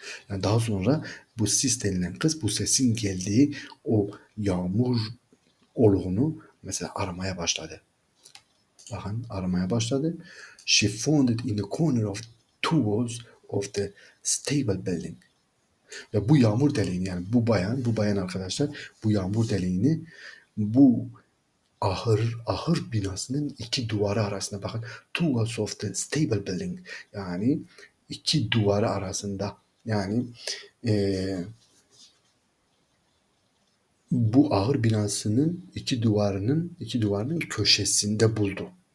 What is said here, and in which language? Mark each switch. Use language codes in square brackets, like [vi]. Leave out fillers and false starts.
[tr] Yani daha sonra bu sis denilen kız bu sesin geldiği o yağmur oluğunu mesela aramaya başladı. Bakın aramaya başladı. [en] She found it in the corner of two walls of the stable building. [tr] Ve bu yağmur deliğini yani bu bayan arkadaşlar bu yağmur deliğini bu ahır binasının iki duvarı arasında bakın [en] two walls of the stable building [tr] yani iki duvarı arasında yani bu ahır binasının iki duvarının köşesinde buldu.